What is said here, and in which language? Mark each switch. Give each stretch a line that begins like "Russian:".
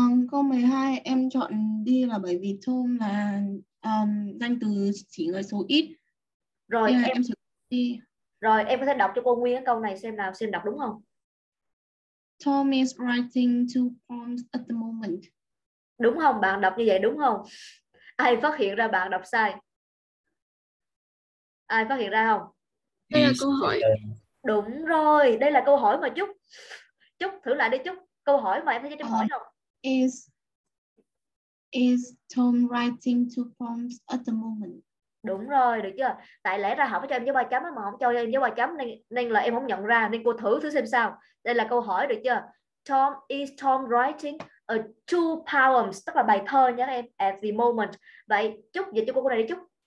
Vietnamese: Câu 12 em chọn đi là bởi vì Tom là danh từ chỉ người số ít. Rồi em sẽ đi. Rồi em có thể đọc cho cô nguyên cái câu này xem nào, xem đọc đúng không?
English: Tom is writing two poems at the moment.
Vietnamese: Đúng không? Bạn đọc như vậy đúng không? Ai phát hiện ra bạn đọc sai? Ai phát hiện ra không? Đây là câu hỏi. Đúng rồi, đây là câu hỏi mà Chúc. Chúc thử lại đi Chúc. Câu hỏi mà em thấy cho hỏi không?
English: Is Tom writing two poems at the moment?
Vietnamese: Đúng rồi, được chưa? Tại lẽ ra họ phải cho em dấu ba chấm mà không cho em dấu ba chấm nên là em không nhận ra, nên cô thử thử xem sao. Đây là câu hỏi, được chưa?
English: Tom is Tom writing a two poems,
Vietnamese: tức là bài thơ nhé em,
English: at the moment.
Vietnamese: Vậy Chúc dịch cho cô câu này đi Chúc.